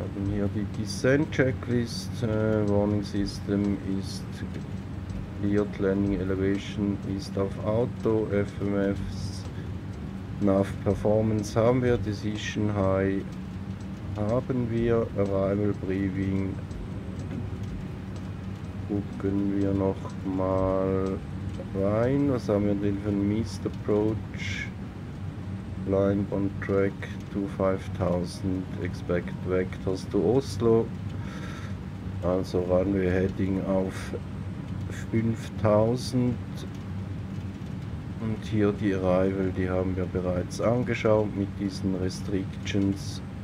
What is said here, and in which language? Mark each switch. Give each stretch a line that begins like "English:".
German: Hier die Descent Checklist, Warning System ist cleared, Landing Elevation ist auf Auto, FMFs, NAV Performance haben wir, Decision High haben wir, Arrival Briefing gucken wir noch mal rein, was haben wir denn für ein Missed Approach?
English: Blind on track to 5000, expect vectors to Oslo.
German: Also ran wir heading auf 5000. Und hier die Arrival, die haben wir bereits angeschaut mit diesen Restrictions.